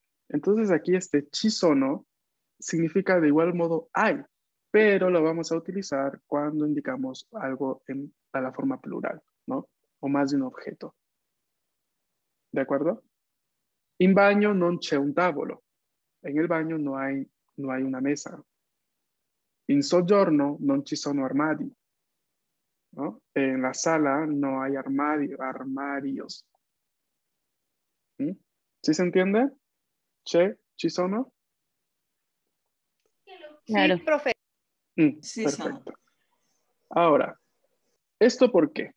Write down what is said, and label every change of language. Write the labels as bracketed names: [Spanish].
[Spanish] Entonces aquí este ci sono significa de igual modo hay, pero lo vamos a utilizar cuando indicamos algo en a la forma plural, ¿no? O más de un objeto. ¿De acuerdo? [Italian] In bagno non c'è un tavolo. [Spanish] En el baño no hay una mesa. [Italian] In soggiorno non ci sono armadi. [Spanish] ¿No? En la sala no hay armarios. ¿Sí se entiende? [Italian] ¿Che? ¿Ci sono? [Spanish] Claro. Sí, profe. Perfecto. Ahora, ¿esto por qué?